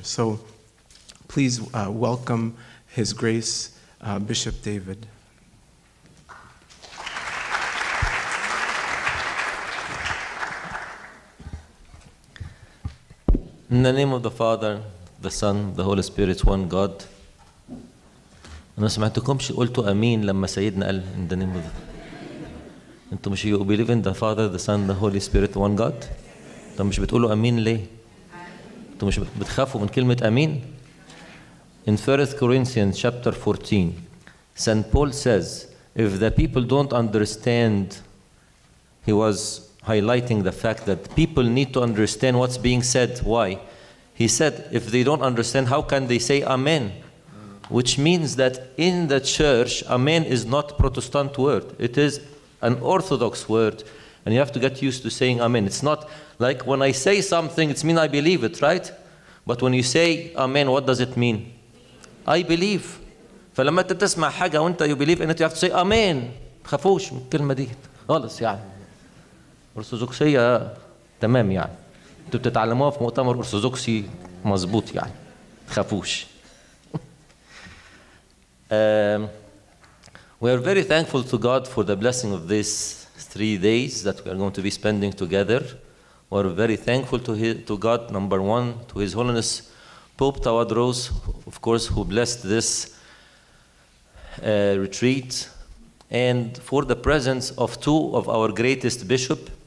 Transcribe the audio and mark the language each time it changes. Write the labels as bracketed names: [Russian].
[English] So please welcome His Grace, Bishop David. In the name of the Father, the Son, the Holy Spirit, one God. [Arabic] أنا سمعتكمش قلتوا أمين لما سيدنا قال [English] in the name of the... [Arabic] أنتم مش [English] you believe in the Father, the Son, the Holy Spirit, one God؟ [Arabic] أنتم مش بتقولوا أمين ليه؟ أنتم مش بتخافوا من كلمة أمين؟ [English] In 1 Corinthians chapter 14, St. Paul says, if the people don't understand, he was highlighting the fact that people need to understand what's being said. Why? He said, if they don't understand, how can they say Amen? Which means that in the church, Amen is not a Protestant word. It is an Orthodox word, and you have to get used to saying Amen. It's not like when I say something, it's mean I believe it, right? But when you say Amen, what does it mean? I believe. [Arabic] فلما تسمع حاجة وانت [English] you believe in it, you have to say Amen. [Arabic] تخافوش من الكلمة دي. خالص يعني. أرثوذكسية تمام يعني. انتوا بتتعلموها في مؤتمر أرثوذكسي مظبوط يعني. تخافوش. [English] We are very thankful to God for the blessing of these 3 days that we are going to be spending together. We are very thankful to God, number one, to His Holiness Pope Tawadros, of course, who blessed this retreat, and for the presence of two of our greatest bishops.